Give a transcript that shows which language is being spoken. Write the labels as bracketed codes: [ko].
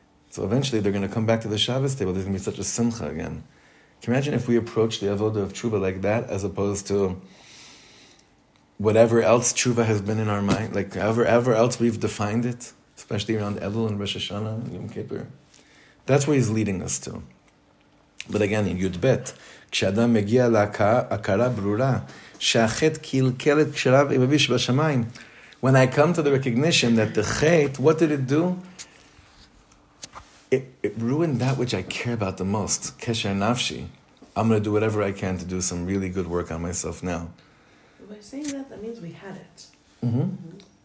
[en] So eventually they're going to come back to the Shabbos table. There's going to be such a simcha again. Can you imagine if we approach the avoda of tshuva like that, as opposed to whatever else tshuva has been in our mind, like however else we've defined it, especially around Elul and Rosh Hashanah and Yom Kippur. That's where he's leading us to. But again, in Yud Bet, [he] כשאדם מגיע להכרה ברורה, שהחטא קלקל את קשריו עם אבי שבשמיים. [en] When I come to the recognition that the chet, what did it do? It ruined that which I care about the most, kesher nafshi. I'm going to do whatever I can to do some really good work on myself now. By saying that, that means we had it. Mm-hmm.